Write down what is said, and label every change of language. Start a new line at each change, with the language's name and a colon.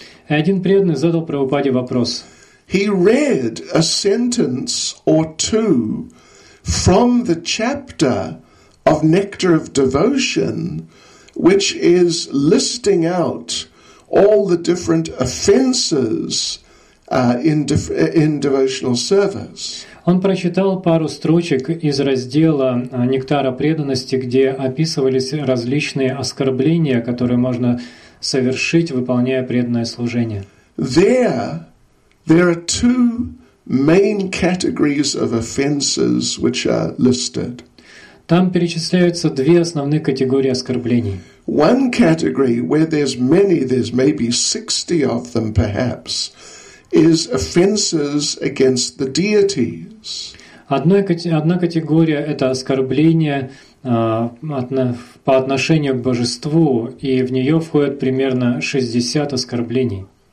Russian: И один преданный задал Прабхупаде вопрос.
English: He read a sentence or two from the chapter of Nectar of Devotion, which is listing out all the different offenses in devotional service.
Russian: Он прочитал пару строчек из раздела «Нектара преданности», где описывались различные оскорбления, которые можно совершить, выполняя преданное служение.
English: There are two main categories of offenses which are listed.
Russian: Там перечисляются две основные категории оскорблений.
English: One category where there's many, there's maybe 60 of them perhaps, is offenses against the deities.
Russian: Одна категория — это оскорбление по отношению к божеству, и в неё входят примерно 60 оскорблений.